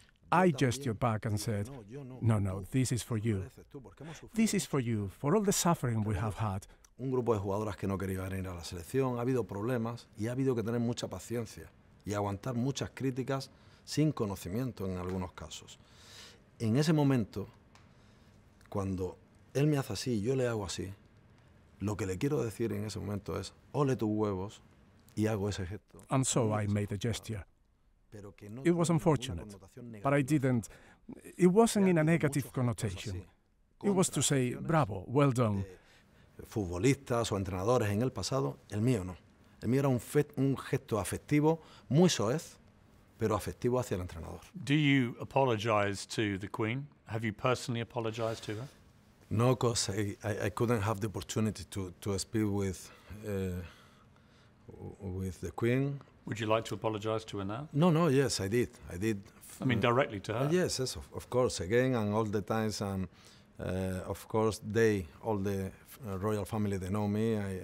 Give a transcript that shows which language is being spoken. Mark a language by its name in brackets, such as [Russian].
[English] I gestured back and said, "No, no, this is for you. This is for you, for all the suffering we have had." [Spanish] Un grupo de jugadoras que no querían ir a la selección, ha habido problemas y ha habido que tener mucha paciencia y aguantar muchas críticas sin conocimiento en algunos casos. En ese momento, cuando él me hace así y yo le hago así, lo que le quiero decir en ese momento es, ole tus huevos y hago ese gesto. [English] And so I made a gesture. It was unfortunate, but I didn't. It wasn't in a negative connotation. It was to say, bravo, well done. [Spanish] Futbolistas o entrenadores en el pasado, el mío no. El mío era un gesto afectivo, muy soez, pero afectivo hacia el entrenador. [English] Do you apologize to the Queen? Have you personally apologized to her? No, because I couldn't have the opportunity to speak with the Queen. Would you like to apologize to her now? No, yes, I did. I did. I mean, directly to her? Yes, of course, again, and all the times. Of course, all the royal family, they know me.